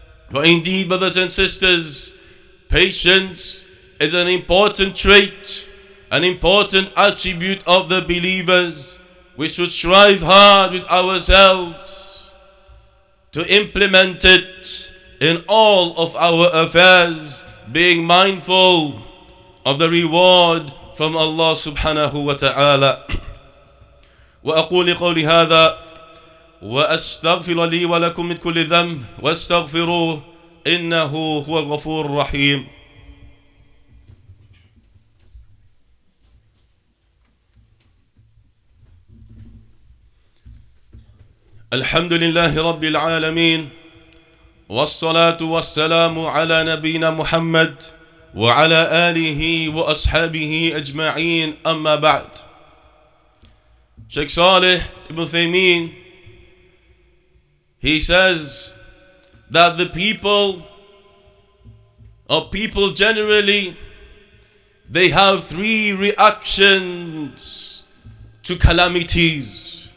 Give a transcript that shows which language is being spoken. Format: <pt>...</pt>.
<en>For indeed, brothers and sisters, patience is an important trait, an important attribute of the believers. We should strive hard with ourselves to implement it in all of our affairs, being mindful of the reward from Allah subhanahu wa ta'ala.</en> <ar>وأقول قولي هذا وأستغفر لي ولكم من كل ذنب واستغفروه إنه هو الغفور الرحيم. الحمد لله رب العالمين والصلاة والسلام على نبينا محمد وعلى آله وأصحابه أجمعين أما بعد.</ar> <en>Shaykh Salih Ibn Uthaymeen, he says that the people, or people generally, they have three reactions to calamities.</en>